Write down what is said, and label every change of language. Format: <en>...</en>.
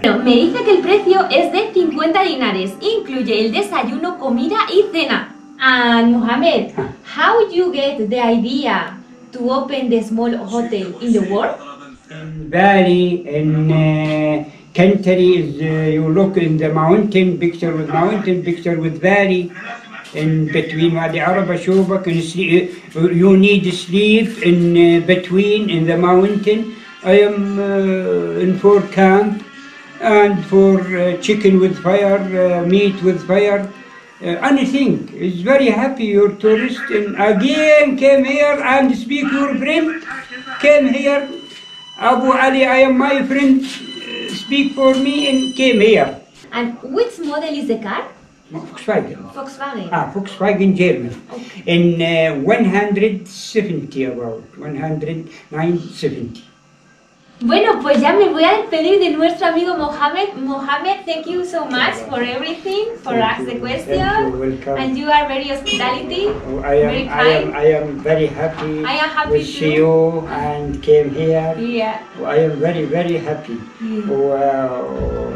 <es>Bueno, me dice que el precio es de $50. Incluye el desayuno, comida y cena.</es> <en>And Mohamed, how you get the idea to open the small hotel in the world? In Bali, in country, you look in the mountain picture with Bali, in between Wadi Araba, Shubak, you need sleep in between, in the mountain. I am in for camp and for chicken with fire, meat with fire. Anything. It's very happy your tourist and again came here and speak your friend. Came here. Abu Ali, I am my friend. Speak for me and came here. And which model is the car? Volkswagen. Volkswagen. Ah, Volkswagen German. Okay. In 170 about. 1970.</en> <es>Bueno, pues ya me voy a despedir de nuestro amigo Mohamed.</es> <en>Mohamed, thank you so much for everything, for asking the question. Thank you, and you are very hospitality. I am very happy. I am happy to see you and came here. Yeah. I am very, very happy. Yeah.</en>